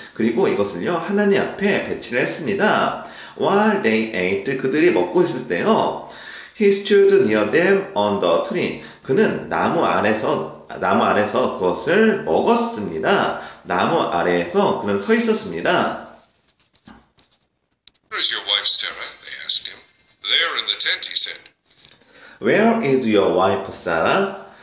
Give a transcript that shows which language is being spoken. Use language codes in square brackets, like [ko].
[ko] 그리고 이것을요, 하나님 앞에 배치를 했습니다. [en] While they ate, [ko] 그들이 먹고 있을 때요, [en] he stood near them on the tree. [ko] 그는 나무 아래서 그것을 먹었습니다. 나무 아래에서 그는 서 있었습니다. [en] Where is your wife, Sarah? They asked him. There in the tent, he said. Where is your wife, Sarah?